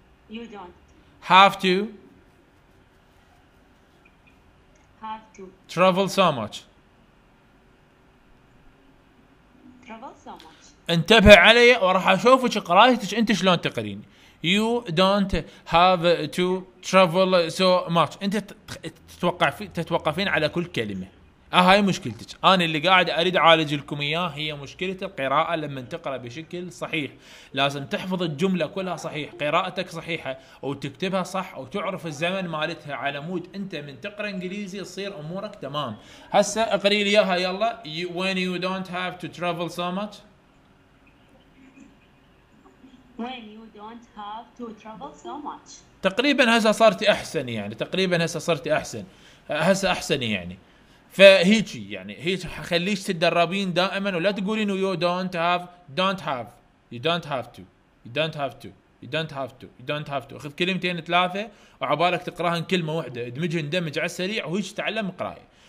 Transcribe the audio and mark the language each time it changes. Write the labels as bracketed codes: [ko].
[en] You don't have to. Have to travel so much. Travel so much. [ar] انتبه علي وراح اشوفك قرايتك انت شلون تقرين. [en] You don't have to travel so much. [ar] انت تتوقفين على كل كلمة. هاي مشكلتك. انا اللي قاعد اريد اعالج لكم اياه هي مشكلة القراءة. لما تقرأ بشكل صحيح لازم تحفظ الجملة كلها صحيح, قراءتك صحيحة وتكتبها صح وتعرف الزمن مالتها على مود انت من تقرأ انجليزي تصير امورك تمام. هسا اقري لي اياها يلا. [en] When you don't have to travel so much. When you don't have to travel so much. [ar] تقريبا هسه صرتي احسن يعني. تقريبا هسه صرتي احسن. هسه احسن يعني. فهيجي يعني هيج خليش تتدربين دائما ولا تقولين [en] you don't have. Don't have. You don't have to. You don't have to. You don't have to. You don't have to. [ar] اخذ كلمتين ثلاثة وعبالك تقراهن كلمة واحدة. ادمجهن دمج على السريع وهيج تعلم قراية.